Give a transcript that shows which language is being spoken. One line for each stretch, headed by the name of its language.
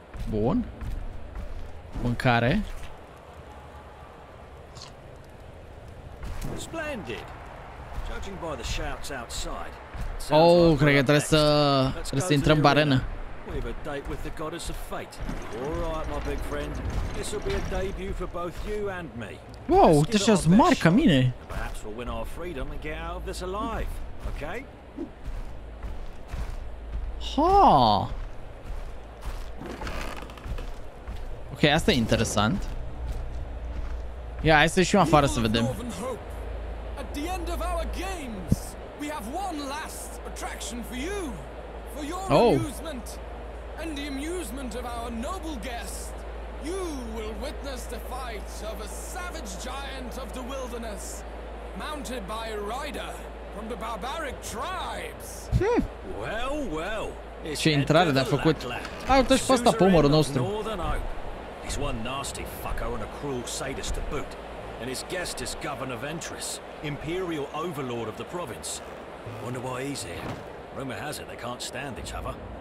Romanian: Bun. Mâncare.
English: Splendid. Judging by the shouts outside.
Romanian: Oh, cred că trebuie să intrăm în arenă.
English: We have a date with the goddess of fate. All right, my big friend. This will be a debut for both you and me. Wow, this is smart, Camine. Perhaps we'll win our freedom and get out of this alive. Okay? Ha.
Romanian: Ok, asta e interesant. Ia, hai să ieșim afară să vedem.
English: At the end of our games, we have one last attraction for you. For your amusement and the amusement of our noble guest. You will witness the fight of a savage giant of the wilderness, mounted by a rider from the barbaric tribes. Well, well.
Romanian: Ce intrare de-a făcut. Ai uitat-și pe ăsta pomorul nostru.
English: He's one nasty fucker and a cruel sadist to boot. And his guest is Governor Ventress, Imperial Overlord of the province. Wonder why he's here. Rumor has it they can't stand each other.